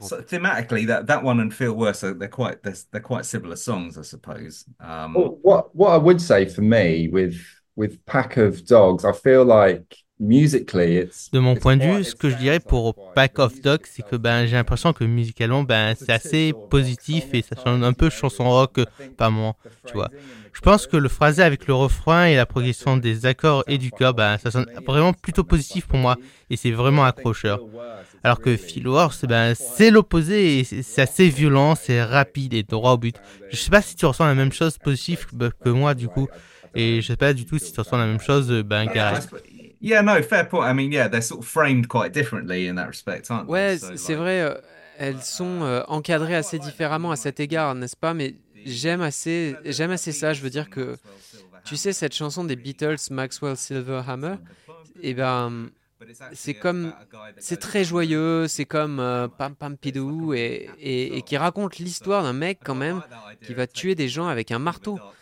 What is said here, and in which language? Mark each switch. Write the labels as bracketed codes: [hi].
[en] Yeah, so thematically, that one and Feel Worse, they're quite similar songs, I suppose. What I would say for me with Pack of Dogs, I feel like musically it's. [fr] De mon point de vue, ce que je dirais pour Pack of Dogs, c'est que j'ai l'impression que musicalement, c'est assez positif et ça sonne un peu chanson rock, pas moi, tu vois. Je pense que le phrasé avec le refrain et la progression des accords et du chœur, ça sonne vraiment plutôt positif pour moi et c'est vraiment accrocheur. Alors que Feel Worse, c'est l'opposé et c'est assez violent, c'est rapide et droit au but. Je sais pas si tu ressens la même chose positif que moi du coup et je sais pas du tout si tu ressens la même chose, Gareth. [en] Yeah, no, fair point. I mean, yeah, they're sort of framed quite differently in that respect, aren't they? [fr] Ouais, c'est vrai, elles sont encadrées assez différemment à cet égard, n'est-ce pas? Mais j'aime assez ça. Je veux dire que, tu sais, cette chanson des Beatles, Maxwell Silverhammer, eh ben, c'est très joyeux, c'est comme Pam Pam Pidou et qui raconte l'histoire d'un mec quand même qui va tuer des gens avec un marteau.